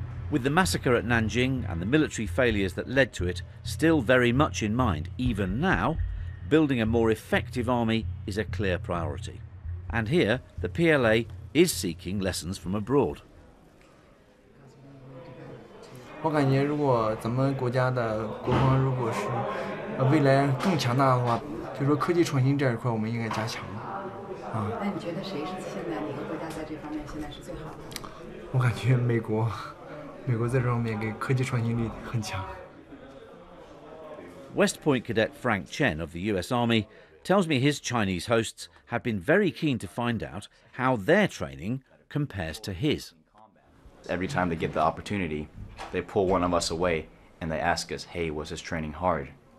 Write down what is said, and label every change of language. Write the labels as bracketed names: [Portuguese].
[English] With the massacre at Nanjing and the military failures that led to it still very much in mind, even now, building a more effective army is a clear priority. And here, the PLA is seeking lessons from abroad. I think if our country's defense is stronger in the future, we should focus on technology innovation in this area. [Chinese] 那你觉得谁是现在哪个国家在这方面现在是最好的？我感觉美国。美国在这方面给科技创新力很强。 [English] West Point cadet Frank Chen of the US Army tells me his Chinese hosts have been very keen to find out how their training compares to his. Every time they get the opportunity, they pull one of us away and they ask us, hey, was his training hard?